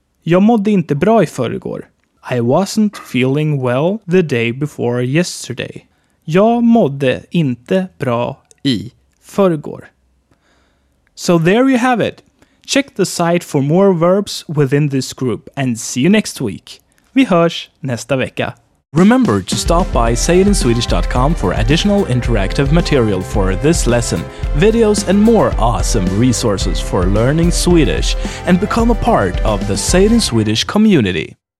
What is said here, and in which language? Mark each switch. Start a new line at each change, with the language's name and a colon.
Swedish: Jag mådde inte bra I förrgår.
English: I wasn't feeling well the day before yesterday.
Swedish: Jag mådde inte bra I förrgår.
English: So there you have it. Check the site for more verbs within this group and see you next week.
Swedish: Vi hörs nästa vecka.
English: Remember to stop by sayitinswedish.com for additional interactive material for this lesson, videos and more awesome resources for learning Swedish, and become a part of the Say It in Swedish community.